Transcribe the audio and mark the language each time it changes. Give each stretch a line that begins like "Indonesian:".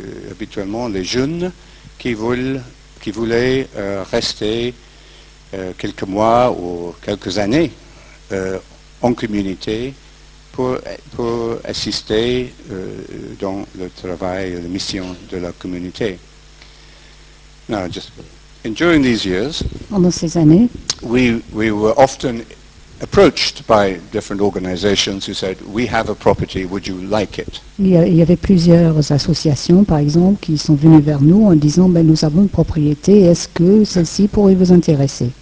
French: habituellement les jeunes, qui voulaient rester quelques mois ou quelques années en communauté pour assister dans le travail, la mission de la communauté.
English: Now, just and during these years,
French: pendant ces années,
English: we were often approached by different organizations who said, we have a property, would you like it?
French: Il y avait plusieurs associations, par exemple, qui sont venues vers nous en disant, ben, nous avons une propriété, est-ce que celle-ci pourrait vous intéresser?